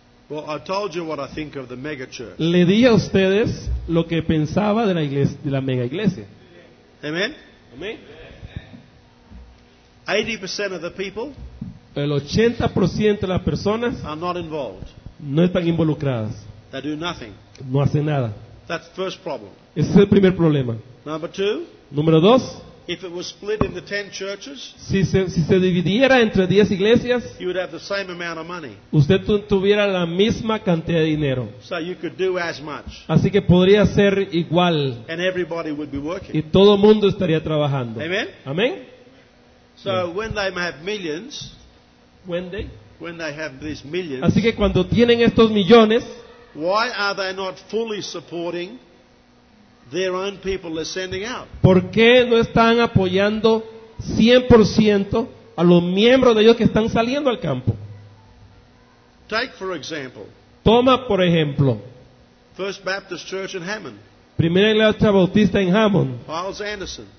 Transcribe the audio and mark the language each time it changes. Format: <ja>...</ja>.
<en>Well, I told you what I think of the mega church.</en> <es>Le dije a ustedes lo que pensaba de la iglesia, de la mega iglesia.</es> <en>Amen.</en> <es>Amen.</es> <en>80% of the people,</en> <es>el 80% de las personas,</es> <en>are not involved.</en> <es>No están involucradas.</es> <en>They do nothing.</en> <es>No hacen nada.</es> <en>That's the first problem.</en> <es>Ese es el primer problema.</es> <en>Number two,</en> <es>número dos.</es> <en>If it was split into 10 churches,</en> <es>si se dividiera entre 10 iglesias,</es> <en>you would have the same amount of money.</en> <es>Usted tuviera la misma cantidad de dinero.</es> <en>So you could do as much.</en> <es>Así que podría ser igual.</es> <en>And everybody would be working.</en> <es>Y todo el mundo estaría trabajando.</es> <en>Amen.</en> <es>Amen.</es> <en>So yeah. When they have millions, when they have these millions,</en> <es>así que cuando tienen estos millones,</es> <en>why are they not fully supporting their own people they're sending out?</en> <es>¿Por qué no están apoyando 100% a los miembros de ellos que están saliendo al campo?</es> <en>Take for example.</en> <es>Toma por ejemplo.</es> <en>First Baptist Church in Hammond.</en> <es>Primera Iglesia Bautista en Hammond.</es>